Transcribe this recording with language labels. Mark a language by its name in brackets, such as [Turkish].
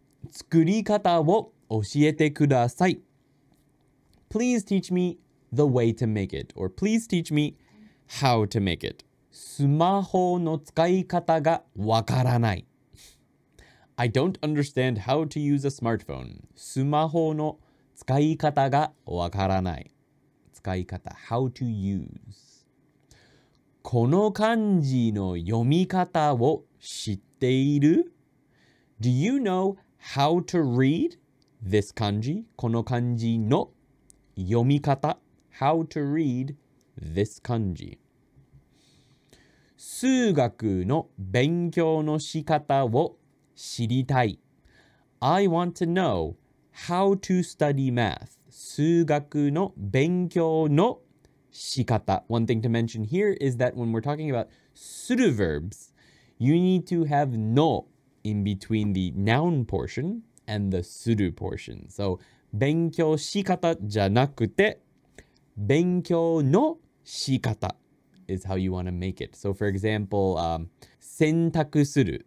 [Japanese] 作り方を教えてください. [English] Please teach me the way to make it or please teach meHow to make it. [Japanese] スマホの使い方がわからない。 [English] I don't understand how to use a smartphone. [Japanese] スマホの使い方がわからない。 [English] 使い方、how to use. [Japanese] この漢字の読み方を知っている? [English] Do you know how to read this 漢字? [Japanese] この漢字の読み方。 [English] How to read this 漢字。 [Japanese] 数学の勉強の仕方を知りたい。 [English] I want to know how to study math. [Japanese] 数学の勉強の仕方。 [English] One thing to mention here is that when we're talking about する verbs, you need to have の in between the noun portion and the する portion. So, [Japanese] 勉強仕方じゃなくて、勉強の仕方。 [English] Is how you want to make it. So for example, 洗濯する.